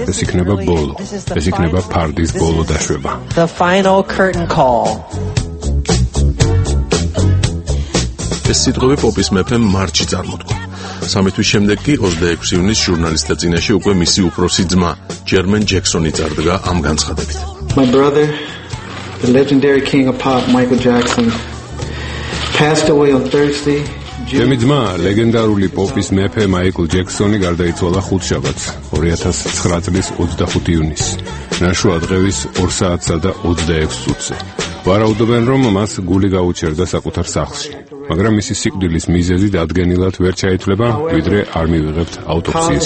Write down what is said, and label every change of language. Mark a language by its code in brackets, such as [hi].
[ka] ეს იქნება ბოლო, ეს იქნება ფარდის ბოლო დაშვება. ეს სიტყვები პოპის მეფემ მარტში წარმოთქვა. სამი თვის შემდეგ კი 26 ივნის ჟურნალისტთა წინაშე უკვე მისი უფროსი ძმა, ჯერმენ ჯექსონი წარდგა ამ განცხადებით. [en] My brother, the legendary king of pop, Michael Jackson, passed away on Thursday. [ka] ჩემი ძმა, ლეგენდარული პოპის მეფე მაიკლ ჯექსონი გარდაიცვალა ხუთშაბათს, 2009 წლის 25 ივნისს, ნახევარდღეს 2:26 წუთზე. ვარაუდობენ, რომ მას გული გაუჭერდა საკუთარ სახლში, მაგრამ მისი სიკვდილის მიზეზი დადგენილად ვერ ჩაითვლება, ვიდრე არ მივიღებთ ავტოპსიის